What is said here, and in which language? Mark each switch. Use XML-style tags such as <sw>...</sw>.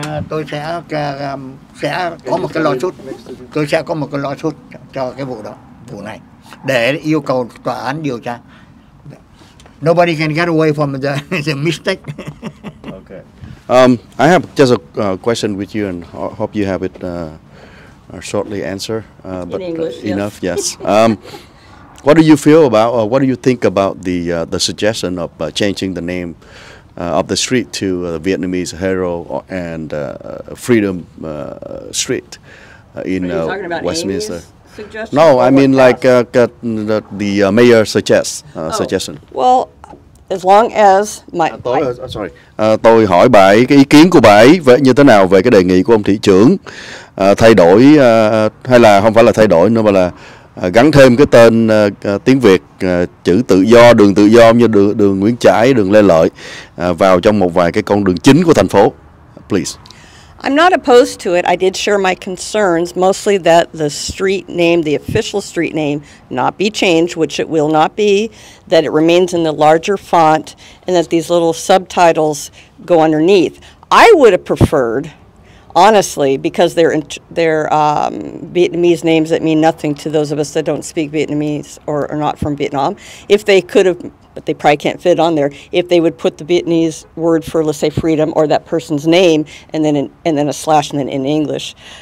<vi>Tôi sẽ có một cái lawsuit. Tôi sẽ có một cái lawsuit cho cái vụ đó, vụ này, để yêu cầu tòa án điều tra.</vi> <en>Nobody can get away from the mistake. I have just a question with you, and hope you have it shortly answer, but in English, enough. Yes. What do you feel about, or what do you think about the suggestion of changing the name of the street to the Vietnamese Hero and Freedom Street in Westminster? No, I mean like the mayor suggestion. Well. As long as my</en> <vi>tôi hỏi bà ấy cái ý kiến của bà ấy về như thế nào về cái đề nghị của ông thị trưởng thay đổi hay là không phải là thay đổi nữa mà là gắn thêm cái tên tiếng Việt chữ tự do, đường tự do như đường Nguyễn Trãi, đường Lê Lợi vào trong một vài cái con đường chính của thành phố.</vi> <en>Please. I'm not opposed to it. I did share my concerns, mostly that the street name, the official street name, not be changed, which it will not be, that it remains in the larger font, and that these little subtitles go underneath. I would have preferred, honestly, because they're Vietnamese names that mean nothing to those of us that don't speak Vietnamese or are not from Vietnam, if they could have, but they probably can't fit on there, if they would put the Vietnamese word for, let's say, freedom or that person's name, and then a slash, and then in English.</en>